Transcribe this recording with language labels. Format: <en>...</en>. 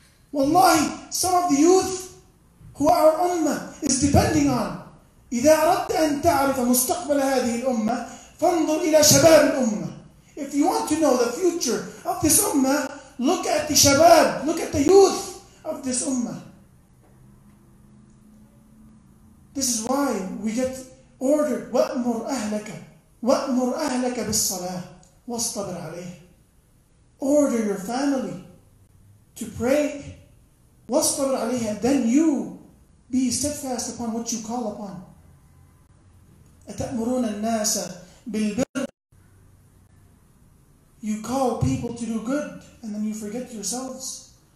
<en>Wallahi, some of the youth who our ummah is depending on,</en> <ar>إِذَا أَرَدْتَ أَن تَعْرِفَ مُسْتَقْبَلَ هَذِهِ الْأُمَّةِ فَانْظُرْ إِلَى شَبَابِ الْأُمَّةِ.</ar> <en>If you want to know the future of this ummah, look at the shabab, look at the youth of this ummah. This is why we get ordered,</en> <ar>وَأْمُرْ أَهْلَكَ وَأْمُرْ أَهْلَكَ بِالصَّلَاةِ وَاصْطَبِرْ عَلَيْهِ.</ar> <en>Order your family to pray,</en> <ar>وَاصْطَبِرْ عَلَيْهِ,</ar> <en>and then you be steadfast upon what you call upon.</en> <ar>أتأمرون الناس بالبر.</ar> <en>You call people to do good and then you forget yourselves.</en>